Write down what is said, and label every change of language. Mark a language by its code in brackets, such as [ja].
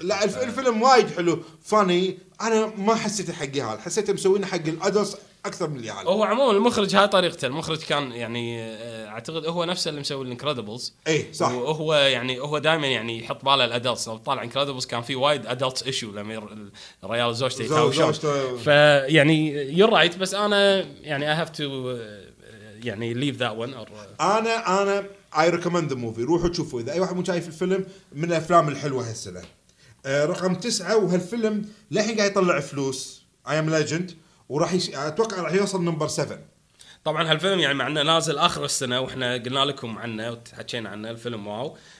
[ar] لا الفيلم وايد حلو فاني، أنا ما حسيت حقي هال، حسيت مسوينه حق الأدرس أكثر من اللي عليه. هو عموما المخرج هاي طريقته، المخرج كان يعني أعتقد هو نفسه اللي مسوي الإنكريدبلز. إيه صح. وهو يعني هو دائما يعني يحط باله الأدرس، لو طالع إنكريدبلز كان في وايد أدرس إيشو لما الريال زوجته يتهاوشون. فيعني [en] you're right، [ar] بس أنا يعني [en] I have to [ar] يعني [en] leave that one. Or [ar] أنا [en] I recommend the movie. [ar] روحوا تشوفوا إذا أي واحد مو شايف الفيلم، من الأفلام الحلوة هالسنة. رقم 9، وهالفيلم لحين قاعد يطلع فلوس، I am legend، وراح أتوقع راح يوصل نمبر 7. طبعا هالفيلم يعني معنا نازل آخر السنة، وإحنا قلنا لكم عنه وتحكينا عنه الفيلم واو.